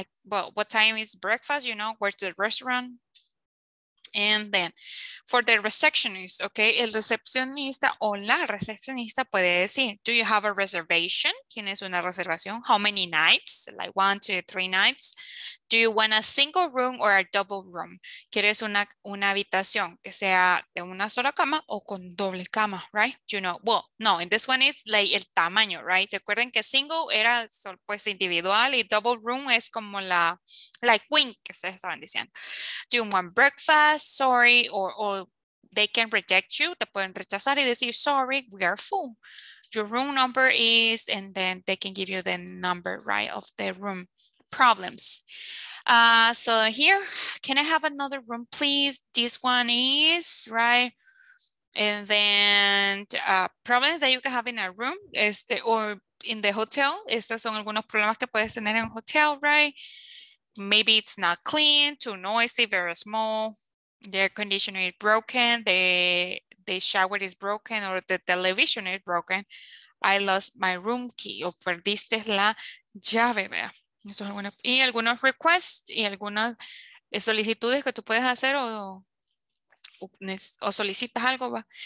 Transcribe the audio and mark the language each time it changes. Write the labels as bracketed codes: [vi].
[en] What time is breakfast, you know, where's the restaurant? And then, for the receptionist, okay, [es] el recepcionista o la recepcionista puede decir, [en] do you have a reservation? [es] ¿Tienes una reservación? [en] How many nights? Like 1, 2, 3 nights. Do you want a single room or a double room? [es] ¿Quieres una habitación que sea de una sola cama o con doble cama, [en] right? You know, well, no, and this one is like [es] el tamaño, [en] right? [es] Recuerden que single era pues individual y double room es como la, [en] like queen, [es] que se estaban diciendo. [en] Do you want breakfast? Sorry, or they can reject you. [es] Te pueden rechazar y decir, [en] sorry, we are full. Your room number is, and then they can give you the number, right, of the room. Problems. So here, can I have another room, please? This one is, right? And then problems that you can have in a room or in the hotel. [es] Estas son algunos problemas que puedes tener en hotel, [en] right? Maybe it's not clean, too noisy, very small. The air conditioner is broken. The shower is broken or the television is broken. I lost my room key. [es] O perdiste la llave, ¿verdad? Y algunos requests y algunas solicitudes que tú puedes hacer o solicitas algo.